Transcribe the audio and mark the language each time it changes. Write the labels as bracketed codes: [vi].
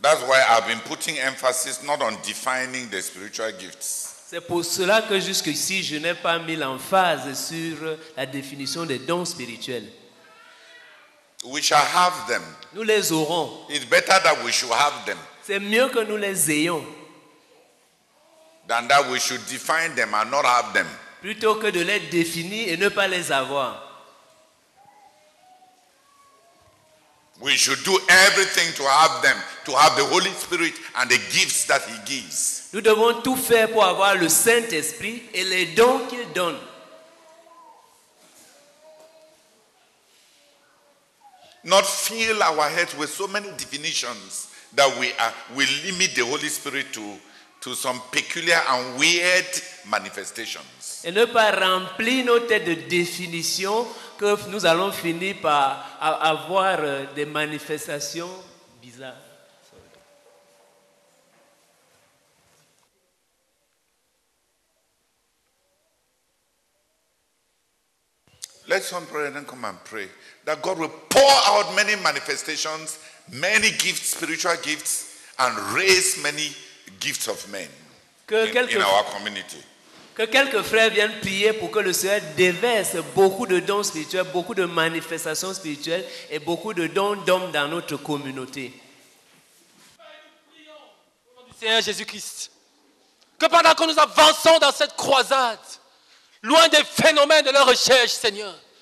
[en] That's why I've been putting emphasis not on defining the spiritual gifts. [fr] C'est pour cela que jusqu'ici je n'ai pas mis l'emphase sur la définition des dons spirituels. [en] We shall have them. [fr] Nous les aurons. [en] It's better that we should have them. [fr] C'est mieux que nous les ayons. [en] Than that we should define them and not have them. [fr] Plutôt que de les définir et ne pas les avoir. [en] We should do everything to have them, to have the Holy Spirit and the gifts that He gives. [fr] Nous devons tout faire pour avoir le Saint-Esprit et les dons qu'il donne. [en] Not fill our heads with so many definitions that we limit the Holy Spirit to some peculiar and weird manifestations. [fr] Et ne pas remplir nos têtes de définitions que nous allons finir par avoir des manifestations bizarres. [en] Let's pray and then come and pray that God will pour out many manifestations, many gifts, spiritual gifts, and raise many gifts of men in our community. [fr] Que quelques frères viennent prier pour que le Seigneur déverse beaucoup de dons spirituels, beaucoup de manifestations spirituelles et beaucoup de dons d'hommes dans notre communauté. Au nom du Seigneur Jésus-Christ, que pendant que nous avançons dans cette croisade, loin des phénomènes de la recherche, Seigneur,